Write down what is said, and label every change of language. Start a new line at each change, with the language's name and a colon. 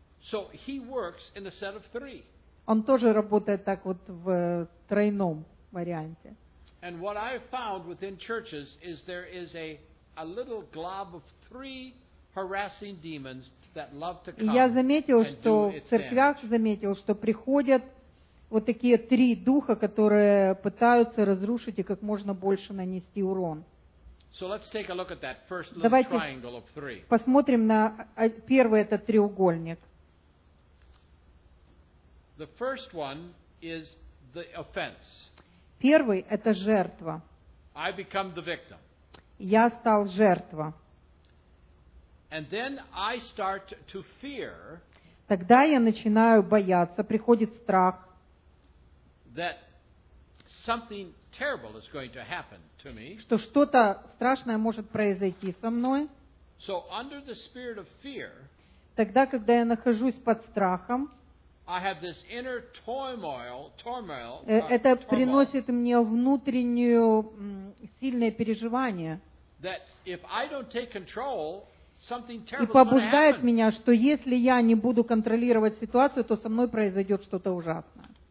English: So he works in a set of three.
Russian: Он тоже работает так вот в тройном варианте.
English: And what I've found within churches is there is a little glob of three harassing demons that love to come and do its damage.
Russian: Я заметил, что в церквях заметил, что приходят вот такие три духа, которые пытаются разрушить и как можно больше нанести урон.
English: So let's take a look at that first little triangle of three.
Russian: Давайте посмотрим на первый этот треугольник.
English: The first one is the offense.
Russian: Первый – это жертва.
English: I become the victim.
Russian: Я стал жертва.
English: And then I start to fear.
Russian: Тогда я начинаю бояться, приходит страх.
English: That something terrible is going to happen to me.
Russian: Что что-то страшное может произойти со мной.
English: So under the spirit of fear.
Russian: Тогда, когда я нахожусь под страхом.
English: I have this inner turmoil.
Russian: Это приносит мне внутреннюю сильное переживание.
English: That if I don't take control.
Russian: И побуждает меня, что если я не буду контролировать ситуацию, то со мной произойдет что-то ужасное.